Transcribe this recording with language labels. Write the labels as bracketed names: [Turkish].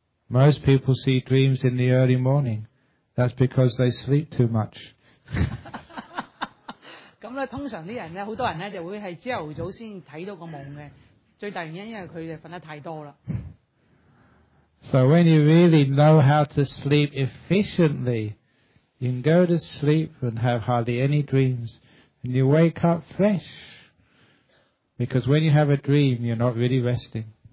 [English] Most people see dreams in the early morning. That's because they sleep too much. [Chinese] 通常很多人會在早上才看到夢的。 [English] So when you really know how to sleep efficiently, you can go to sleep and have hardly any dreams, and you wake up fresh. Because when you have a dream, you're not really resting.